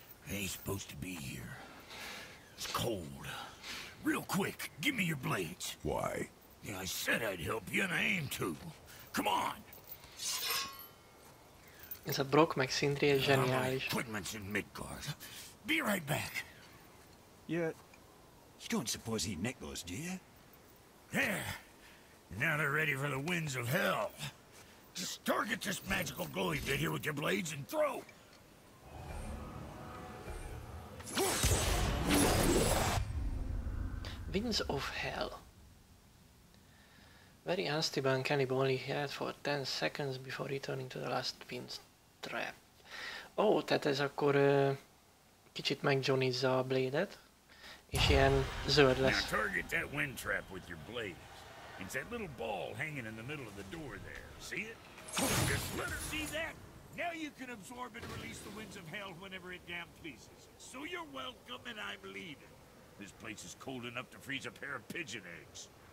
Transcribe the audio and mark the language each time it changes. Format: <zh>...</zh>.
<en>I ain't supposed to be here. It's cold. Real quick, give me your blades. Why? Yeah, I said I'd help you, and I aim to. Come on!</en> <hu>Ez a Brock meg Sindri egy zseniális.</hu> <en>My equipment's in Midgard. Be right back. Yeah. You don't suppose he nicked those, do you? There. Now they're ready for the winds of hell. Just target this magical glowy bit here with your blades and throw. Winds of Hell. Very unstable and cannibal only had for 10 seconds before returning to the last wind trap.</en> <hu>Ó, oh, tehát ez akkor kicsit megjonizza a blade-et, és ilyen zöld lesz.</hu> <en>Now target that wind trap with your blades. It's that little ball hanging in the middle of the door there. See it? Just let her see that. Now you can absorb and release the winds of hell whenever it damn pleases. So you're welcome and I'm leaving. This place is cold enough to freeze a pair of pigeon eggs.</en>